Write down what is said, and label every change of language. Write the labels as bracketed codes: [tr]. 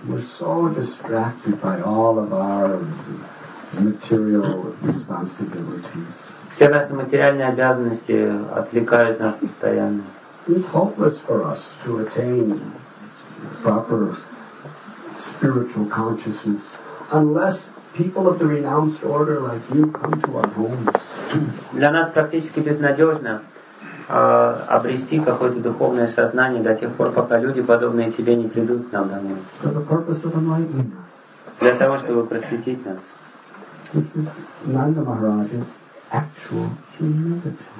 [en] We're so distracted by all of our material responsibilities. [ru] Все наши материальные обязанности отвлекают нас постоянно. [en] It's hopeless for us to attain proper spiritual consciousness unless people of the renounced order like you come to our homes. [ru] Для нас практически безнадежно обрести какое-то духовное сознание до тех пор, пока люди, подобные тебе, не придут к нам домой. [en] For the purpose of enlightening us. [ru] Для того, чтобы просветить нас. [en] This is Nanda Maharaj's actual humility.